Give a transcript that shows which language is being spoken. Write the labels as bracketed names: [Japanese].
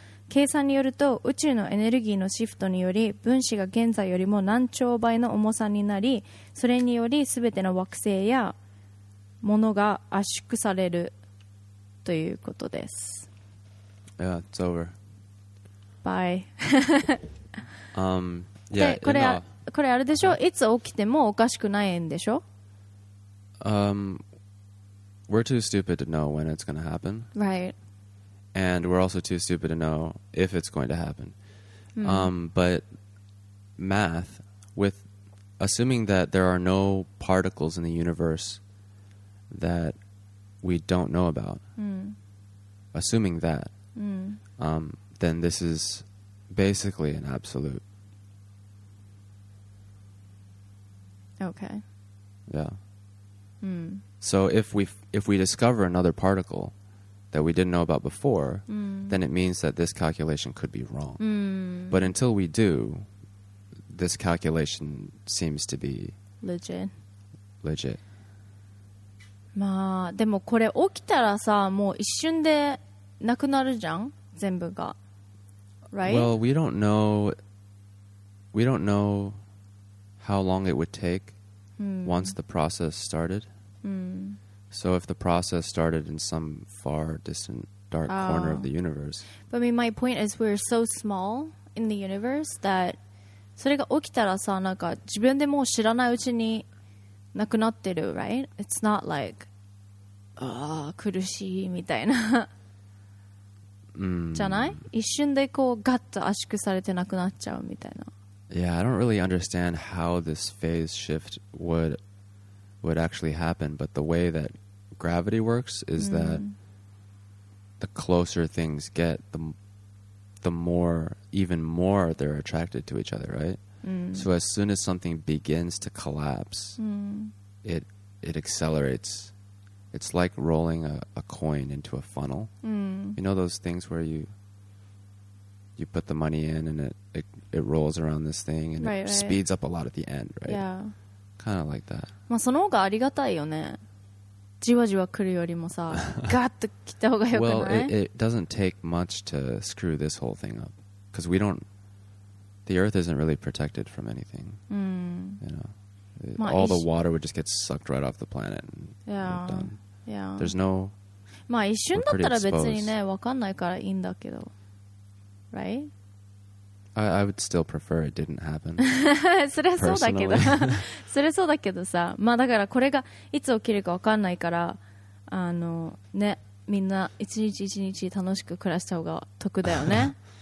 [Japanese] 計算によると宇宙のエネルギーのシフトにより分子が現在よりも何兆倍の重さになり、それにより全ての惑星やものが圧縮されるということです。 [English] Yeah, it's over. Bye. yeah, [Japanese] これあれでしょ、いつ起きてもおかしくないんでしょ。 [English] We're too stupid to know when it's going to happen. Right. And we're also too stupid to know if it's going to happen. But math, with assuming that there are no particles in the universe that we don't know about, assuming that, then this is basically an absolute. Okay. Yeah. So if we discover another particle, that we didn't know about before, then it means that this calculation could be wrong. Mm. But until we do, this calculation seems to be legit. Legit. [Japanese] まあ、でもこれ起きたらさ、もう一瞬でなくなるじゃん、全部が。 [English] Right? Well, we don't know. We don't know how long it would take once the process started. So if the process started in some far distant dark corner of the universe. But I mean, my point is we're so small in the universe that [Japanese] それが起きたらさ、なんか自分でもう知らないうちになくなってる、 [English] right? It's not like, ah, [Japanese] 苦しいみたいな。じゃない？一瞬でこうガッと圧縮されてなくなっちゃうみたいな。 [English] Yeah, I don't really understand how this phase shift would actually happen, but the way that gravity works is that the closer things get, the more, even more they're attracted to each other, right? So as soon as something begins to collapse, it accelerates. It's like rolling a coin into a funnel. You know those things where you put the money in and it rolls around this thing and right, it right. speeds up a lot at the end, right? Yeah. Kind of like that. [Japanese] まあその方がありがたいよね。じわじわ来るよりもさ、ガッと来た方がよくない？ [English] Well, it doesn't take much to screw this whole thing up. Because we don't... The Earth isn't really protected from anything. You know? [Japanese] まあ、 [English] All the water would just get sucked right off the planet and, yeah, and done. Yeah. There's no... [Japanese] まあ一瞬だったら別にね、わかんないからいいんだけど。 [English] Right? I would still prefer it didn't happen. [Japanese] それはそうだけど、それはそうだけどさ、まあだからこれがいつ起きるかわかんないから、あのね、みんな一日一日楽しく暮らした方が得だよね。